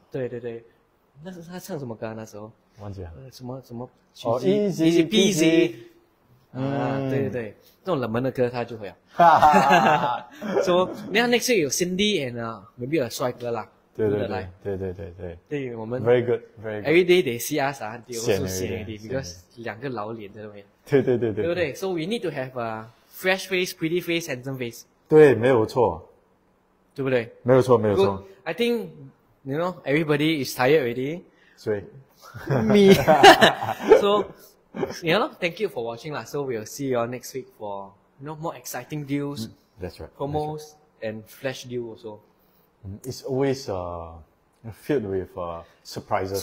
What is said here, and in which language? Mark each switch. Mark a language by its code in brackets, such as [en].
[zh] 对对对，那是他唱什么歌那时候？忘记了，什么什么曲子 ？Easy peasy，对对对，这种冷门的歌他就会啊。 [en] So yeah, next week 有 Cindy and maybe a 帅哥啦。 [zh] 对对对对对对对，我们 [en] very good. Every day they see us, they also see us because [zh] 两个老脸在那边。对对对对，对不对？ [en] So we need to have a fresh face, pretty face, handsome face. [zh] 对，没有错，对不对？没有错，没有错。 [en] I think you know everybody is tired already. [zh] 谁？ [en] Me. So. Yeah, no, thank you for watching. La. So we'll see you all next week for you know, more exciting deals, that's right, promos, that's right. And flash deals also. It's always filled with surprises.